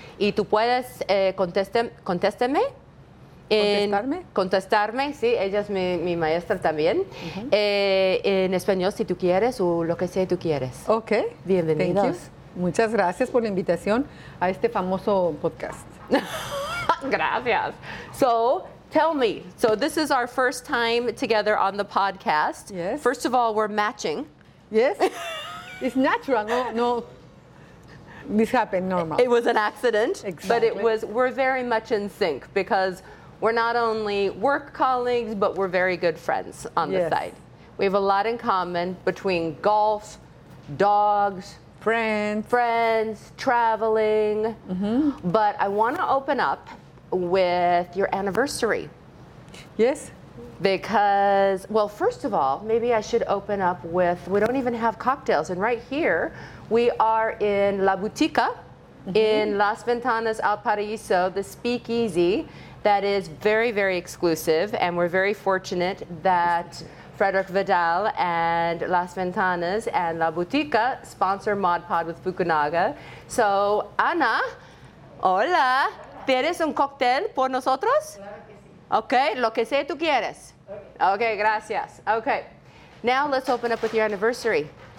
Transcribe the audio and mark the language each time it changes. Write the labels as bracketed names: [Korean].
[Spanish] Y tú puedes contestarme, sí, ella es mi maestra también, uh-huh. En español si tú quieres o lo que sea tú quieres. Ok. Bienvenidos. Muchas gracias por la invitación a este famoso podcast. Gracias. [English] So, tell me, so this is our first time together on the podcast. Yes. First of all, we're matching. Yes. It's natural, no. This happened normal. It was an accident. Exactly. But we're very much in sync because we're not only work colleagues, but we're very good friends on yes. the side. We have a lot in common between golf, dogs, friends, traveling. Mm-hmm. But I want to open up with your anniversary. Yes. Because, well, first of all, maybe I should open up with, we don't even have cocktails. And right here, we are in La Boutique mm-hmm. in Las Ventanas, Al Paraíso, the speakeasy that is very, very exclusive. And we're very fortunate that Frederick Vidal and Las Ventanas and La Boutique sponsor Mod Pod with Fukunaga. [Spanish] So, Ana, hola, ¿tienes un cocktail por nosotros? Okay, lo que sea tú quieres. Okay, gracias. [English] Okay, now let's open up with your anniversary.